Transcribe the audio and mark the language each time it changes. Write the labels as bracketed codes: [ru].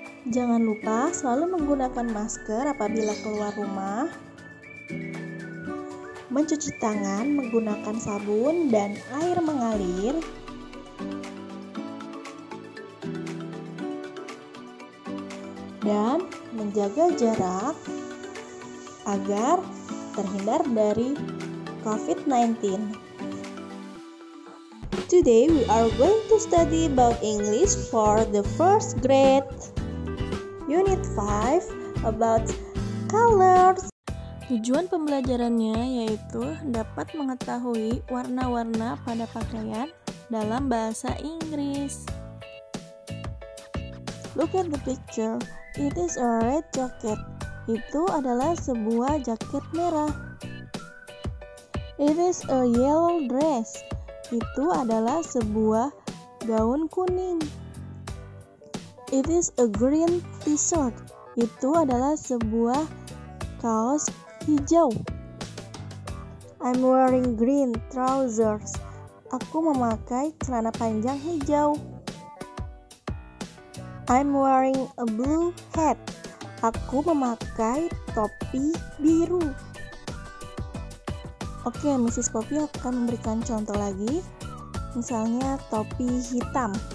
[id] Jangan lupa selalu menggunakan masker apabila keluar rumah, mencuci tangan menggunakan sabun dan air mengalir, dan menjaga jarak agar terhindar dari COVID-19. [en] Today we are going to study about English for the first grade, Unit 5, about colors. [id] Tujuan pembelajarannya yaitu dapat mengetahui warna-warna pada pakaian dalam bahasa Inggris. [en] Look at the picture. It is a red jacket. [id] Itu adalah sebuah jaket merah. [en] It is a yellow dress. [id] Itu adalah sebuah gaun kuning. [en] It is a green t-shirt. [id] Itu adalah sebuah kaos hijau. [en] I'm wearing green trousers. [id] Aku memakai celana panjang hijau. [en] I'm wearing a blue hat. [id] Aku memakai topi biru. Oke, Mrs. Poppy akan memberikan contoh lagi. Misalnya topi hitam.